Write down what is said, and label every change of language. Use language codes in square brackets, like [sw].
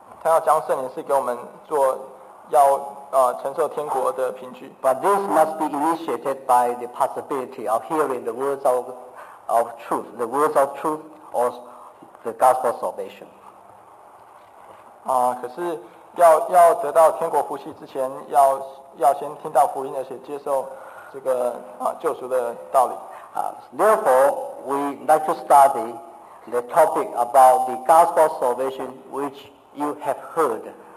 [zh] 第三点就是，他要将圣灵赐给我们做要。 [en] But this must be initiated by the possibility of hearing the words of truth, the words of truth or the gospel of salvation. [zh] 可是要得到天国福气之前，要先听到福音，而且接受这个救赎的道理。 [en] Therefore, we like to study the topic about the gospel of salvation which you have heard.